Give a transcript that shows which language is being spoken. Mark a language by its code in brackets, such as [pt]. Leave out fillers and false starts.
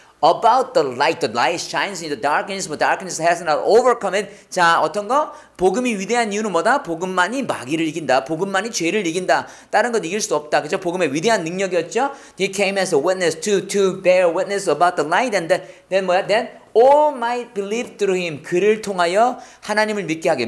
[en] About the light. The light shines in the darkness, but darkness has not overcome it. [ko] 자, 어떤 거? 복음이 위대한 이유는 뭐다? 복음만이 마귀를 이긴다. 복음만이 죄를 이긴다. 다른 건 이길 수 없다. 그죠? 복음의 위대한 능력이었죠? [en] He came as a witness to bear witness about the light. And then [ko] 뭐야? [en] Then all might believe through him. [ko] 그를 통하여 하나님을 믿게 하게.